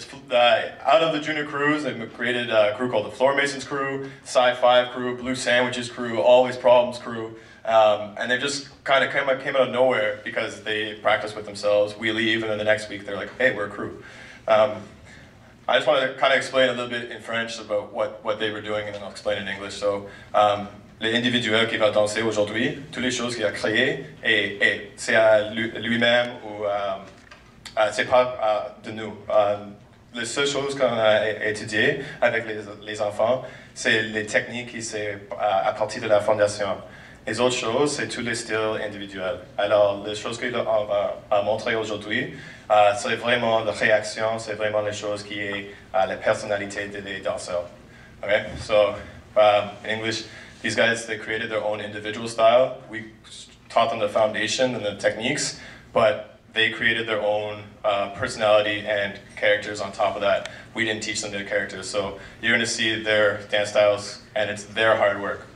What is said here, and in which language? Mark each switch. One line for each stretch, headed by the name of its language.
English: Out of the junior crews, they've created a crew called the Floor Masons crew, Sci-Five crew, Blue Sandwiches crew, Always Problems crew, and they just kind of came out of nowhere because they practice with themselves. We leave, and then the next week they're like, hey, we're a crew. I just want to kind of explain a little bit in French about what they were doing, and then I'll explain in English.
French: So, les individuels qui va danser aujourd'hui, toutes les choses qu'il a créées, et c'est à lui-même ou c'est pas de nous. Les seules choses qu'on a étudiées avec les enfants, c'est les techniques qui c'est à partir de la fondation. Les autres choses, c'est tous les styles individuels. Alors, les choses qu'on va montrer aujourd'hui, c'est vraiment la réaction, c'est vraiment les choses qui est à la personnalité des danseurs.
English: Okay? So, in English, these guys, they created their own individual style. We taught them the foundation and the techniques, but they created their own personality and characters on top of that. We didn't teach them their characters. So you're going to see their dance styles, and it's their hard work.